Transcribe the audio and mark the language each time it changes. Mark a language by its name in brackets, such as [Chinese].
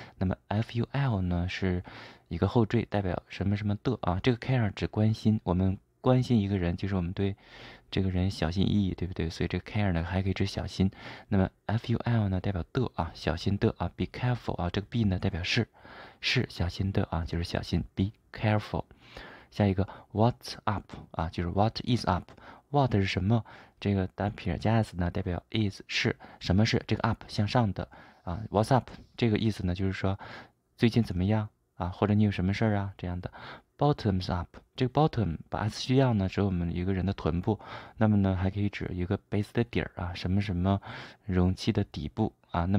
[Chinese] 那么 F-U-L 呢是一个后缀，代表什么什么的啊，这个 care 指关心，我们关心一个人，就是我们对这个人小心翼翼，对不对？所以这个 care 呢还可以指小心。那么 F-U-L 呢代表的啊，小心的啊， [English] be careful [Chinese] 啊，这个 be 呢代表是小心的啊，就是小心，be careful。下一个 [English] what's up 啊， [Chinese] 就是 [English] what is up。 [Chinese] What 是什么？这个单撇加 s 呢，代表 is 是什么是这个 up 向上的啊？ [English] What's up [Chinese] 这个意思呢，就是说最近怎么样啊，或者你有什么事儿啊这样的。 [English] Bottoms up [Chinese] 这个 bottom 把 s 去掉呢，指我们一个人的臀部，那么呢还可以指一个杯子的底儿啊，什么什么容器的底部啊。